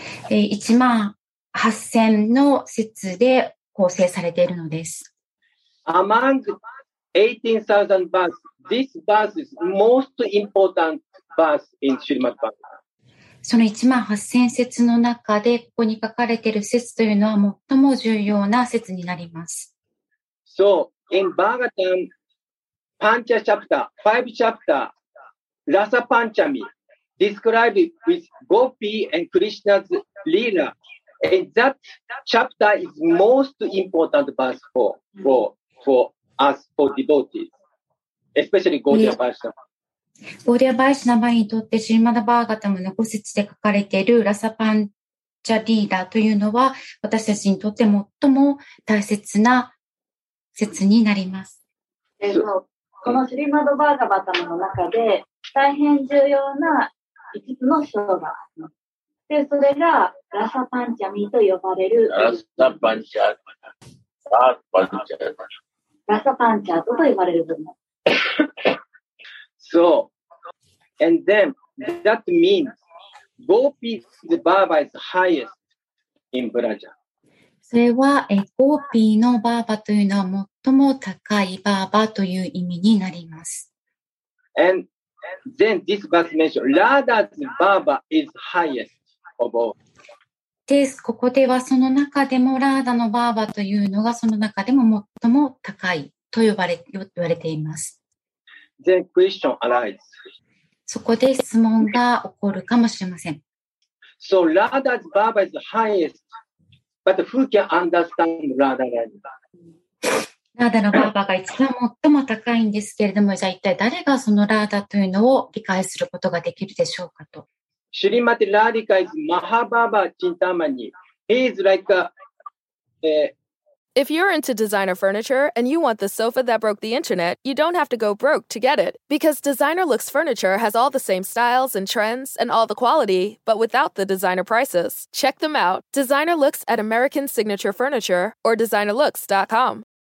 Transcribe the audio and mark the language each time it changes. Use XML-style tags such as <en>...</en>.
<ja>18,000 の節で構成されているのです。</ja> <en>Among 18,000 verses. This verse is most important verse in Srimad Bhagavatam.</en> <ja>その18,000節の中で、ここに書かれている節というのは最も重要な節になります。</ja> <en>So, in Bhagavatam, Pancha chapter, five chapter, Rasa Panchami, described with Gopi and Krishna's Leela. And that chapter is most important verse for. As for devotees, especially Gaudiya Vaishnava.</en> <ja>Gaudiya Vaishnava にとって、シリマダバーガタムの5節で書かれているラサパンチャリーダというのは、私たちにとって最も大切な節になります。このシリマダバーガタムの中で、大変重要な5つの章があります。で、それがラサパンチャミと呼ばれる。ラサパンチャ、ラサパンチャ。ラサパンチャートと呼ばれる部分。</ja> <en>So, and then, that means, Gopi's Baba is highest in Braja.</en> <ja>それは、Gopi のバーバというのは最も高いバーバという意味になります。</ja> <en>And then this verse mentions, Radha's Baba is highest of all.</en> <ja>でここではその中でもラーダのバーバというのがその中でも最も高いと言われています。</ja> <en>Then question arises.</en> <ja>そこで質問が起こるかもしれません。</ja> <en>So Radha's Baba is highest But who can understand Radharani?</en> <ja>ラーダのバーバーが一番最も高いんですけれども、じゃあ一体誰がそのラーダというのを理解することができるでしょうかと。シリマティ・ラーディカイズ・マハバーバー・チンタマニ。</ja> <en>He is like a...、 If you're into designer furniture and you want the sofa that broke the internet, you don't have to go broke to get it. Because Designer Looks Furniture has all the same styles and trends and all the quality, but without the designer prices. Check them out. Designer Looks at American Signature Furniture or designerlooks.com.</en>